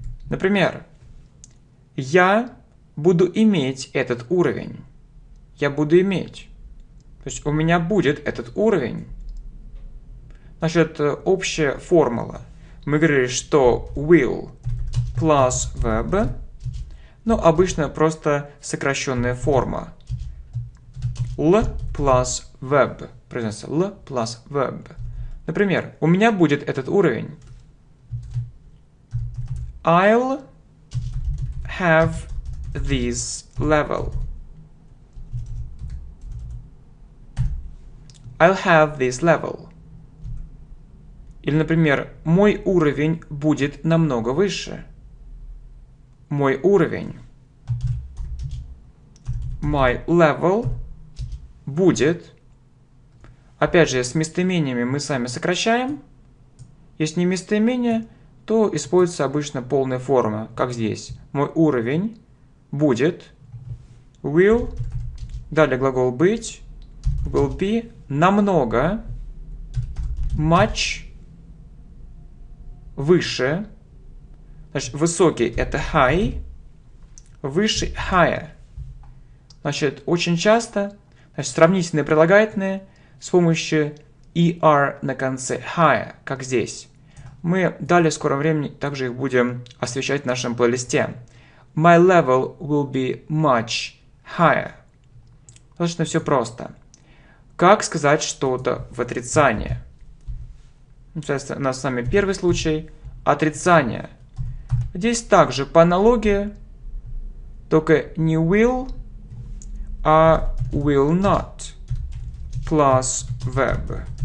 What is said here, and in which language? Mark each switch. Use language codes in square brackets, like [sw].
[ru] Например, я буду иметь этот уровень. Я буду иметь. То есть у меня будет этот уровень. Значит, общая формула. Мы говорили, что [en] will plus verb. [ru] Ну, обычно просто сокращенная форма. [en] L plus verb. [ru] Произносится [en] L plus verb. [ru] Например, у меня будет этот уровень. [en] I'll have this level. I'll have this level. [ru] Или, например, мой уровень будет намного выше. Мой уровень. [en] My level [ru] будет. Опять же, с местоимениями мы с вами сокращаем. Если не местоимение, то используется обычно полная форма, как здесь. Мой уровень будет, will, далее глагол быть, [en] will be, [ru] намного, much, выше, значит, высокий это high, выше higher. Значит, очень часто, значит, сравнительные прилагательные с помощью er на конце higher, как здесь. Мы далее в скором времени также их будем освещать в нашем плейлисте. [en] My level will be much higher. [ru] Достаточно все просто. Как сказать что-то в отрицание? Сейчас у нас с вами первый случай. Отрицание. Здесь также по аналогии, только не will, а [en] will not plus verb.